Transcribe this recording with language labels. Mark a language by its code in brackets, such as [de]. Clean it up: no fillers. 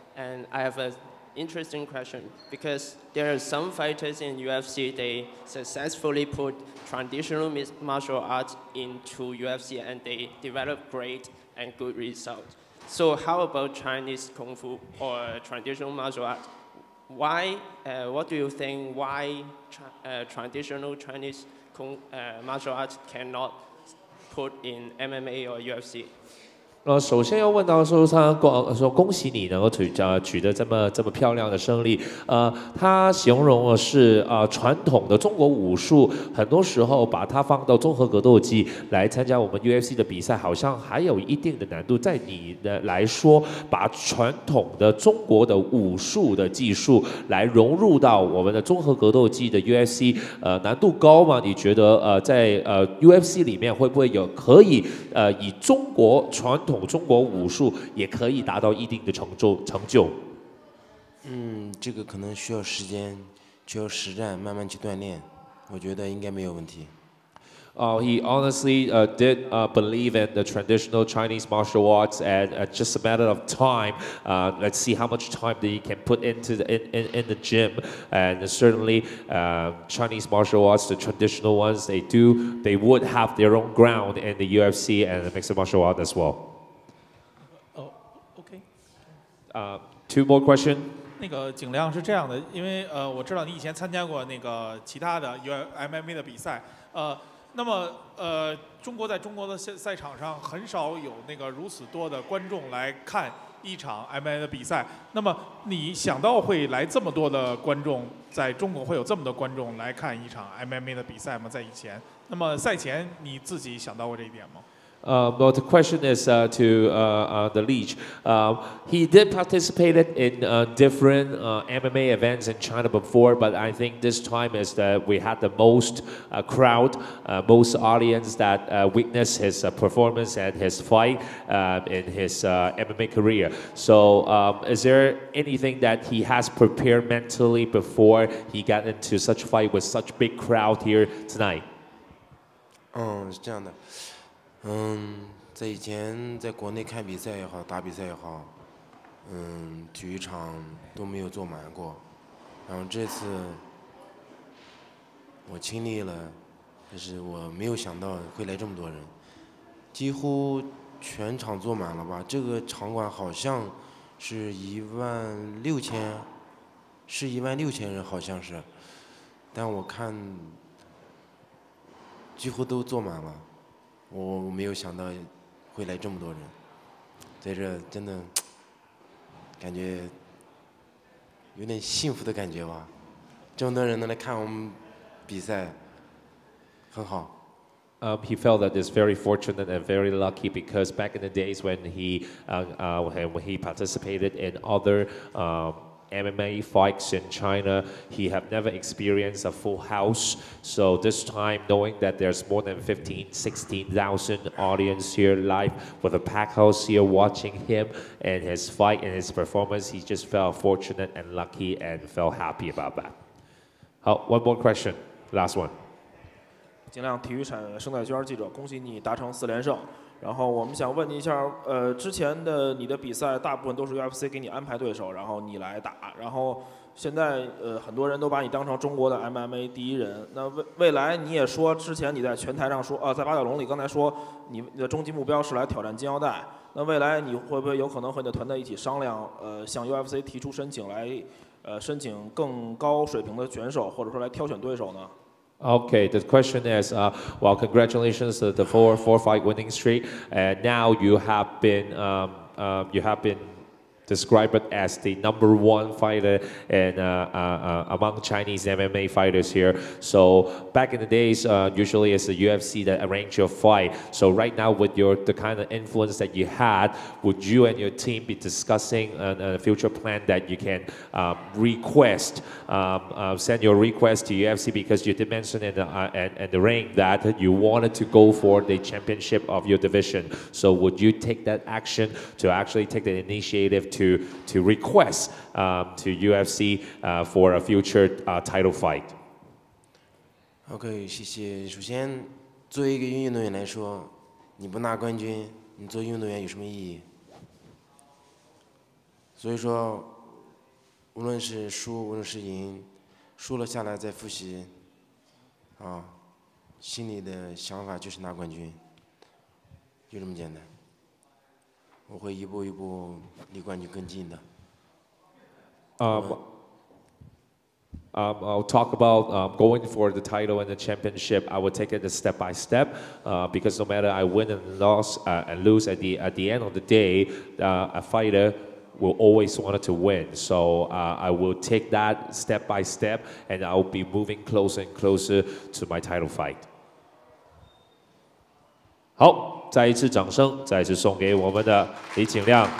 [en] And I have an interesting question, because there are some fighters in UFC, they successfully put traditional martial arts into UFC and they develop great and good results. So how about Chinese Kung Fu or traditional martial arts? Why, what do you think, why traditional Chinese martial arts cannot put in MMA or UFC? [zh] 首先要问到说恭喜你能够 取得这么漂亮的胜利。他形容的是传统的中国武术，很多时候把它放到综合格斗技来参加我们 UFC 的比赛，好像还有一定的难度。在你的来说，把传统的中国的武术的技术来融入到我们的综合格斗技的 UFC， 难度高吗？你觉得在UFC 里面会不会有可以以中国传统中国武术也可以达到一定的成就。这个可能需要时间，需要实战，慢慢去锻炼，我觉得应该没有问题。 [en] He honestly did believe in the traditional Chinese martial arts, and just a matter of time. Let's see how much time that he can put into in the gym. And certainly, Chinese martial arts, the traditional ones, they would have their own ground in the UFC and the mixed martial arts as well. Oh, okay. Two more questions. [zh] 那个景亮是这样的，因为我知道你以前参加过那个其他的 MMA 的比赛。那么中国在中国的赛场上很少有那个如此多的观众来看一场 MMA 的比赛，那么你想到会来这么多的观众，在中国会有这么多观众来看一场 MMA 的比赛吗？在以前，那么赛前你自己想到过这一点吗？ [en] But the question is to the Leech. He did participate in different MMA events in China before, but I think this time is that we had the most crowd, most audience that witnessed his performance and his fight in his MMA career. So is there anything that he has prepared mentally before he got into such a fight with such big crowd here tonight? [zh] 是这样的。在以前在国内看比赛也好，打比赛也好，体育场都没有坐满过。然后这次我亲历了，就是我没有想到会来这么多人，几乎全场坐满了吧。这个场馆好像是16000，是16000人好像是，但我看几乎都坐满了。我没有想到会来这么多人，在这真的感觉有点幸福的感觉吧，这么多人能来看我们比赛很好。 [en] He felt that it's very fortunate and very lucky because back in the days when he participated in other MMA fights in China, he have never experienced a full house. So this time, knowing that there's more than 15,000-16,000 audience here live with a packed house here watching him and his fight and his performance, he just felt fortunate and lucky and felt happy about that. [zh] 好， [en] one more question, last one. [zh] 景亮，体育产生态圈记者，恭喜你达成四连胜。然后我们想问你一下，之前的你的比赛大部分都是 UFC 给你安排对手，然后你来打。然后现在很多人都把你当成中国的 MMA 第一人。那未来你也说，之前你在拳台上说，在八角笼里刚才说你的终极目标是来挑战金腰带。那未来你会不会有可能和你的团队一起商量，向 UFC 提出申请来，申请更高水平的选手，或者说来挑选对手呢？ [en] Okay, the question is, well, congratulations to the four fight winning streak. And now you have been described as the number one fighter in, among Chinese MMA fighters here. So back in the days, usually it's the UFC that arranged your fight. So right now with the kind of influence that you had, would you and your team be discussing a future plan that you can send your request to UFC? Because you did mention in the ring that you wanted to go for the championship of your division. So would you take that action to actually take the initiative to request to UFC for a future title fight. [zh] Okay, 谢谢。首先，作为一个运动员来说，你不拿冠军，你做运动员有什么意义？所以说，无论是输，无论是赢，输了下来再复习，心里的想法就是拿冠军，就这么简单。我会一步一步离冠军更近的。 [en] I'll talk about going for the title and the championship. I will take it step by step, because no matter I win and lose, at the end of the day, a fighter will always want to win. So I will take that step by step, and I'll be moving closer and closer to my title fight. [zh] 好。再一次掌声，再一次送给我们的李景亮。